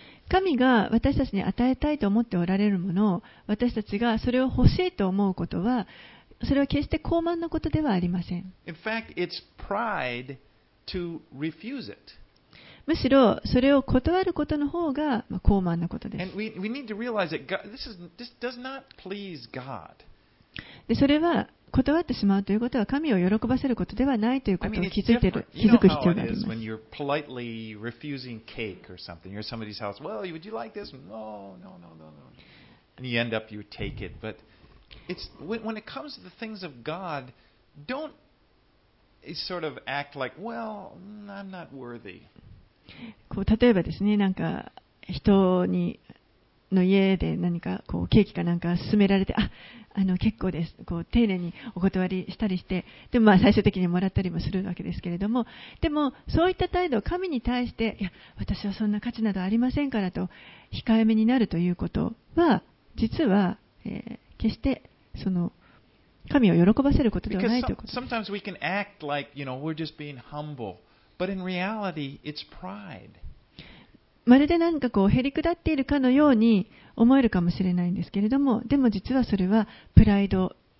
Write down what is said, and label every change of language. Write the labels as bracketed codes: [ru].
[ja] 神が私たちに与えたいと思っておられるものを、私たちがそれを欲しいと思うことは、それは決して高慢なことではありません。 [en] In fact, it's pride to refuse it. [ja] むしろそれを断ることの方が高慢なことです。 [en] And we need to realize that God, this does not please God. [ja] でそれは断ってしまうということは神を喜ばせることではないということを気づいてる、気づく必要があります。 [en] When you're politely refusing cake or something, you're somebody's house. Well, would you like this? No, no, no, no, no. And you end up you take it. But it's when it comes to the things of God, don't sort of act like, well, I'm not worthy. [ja] こう例えばですね、なんか人にの家で何かこうケーキかなんか勧められて、結構です、こう丁寧にお断りしたりして、でもまあ最終的にもらったりもするわけですけれども、でもそういった態度を神に対して、いや私はそんな価値などありませんからと控えめになるということは、実は、決してその神を喜ばせることではないということです。 [en] Sometimes we can act like, you know, we're just being humble, but in reality it's pride. [ja] まるで何かこうへりくだっているかのように思えるかもしれないんですけれども、でも実はそれはプライド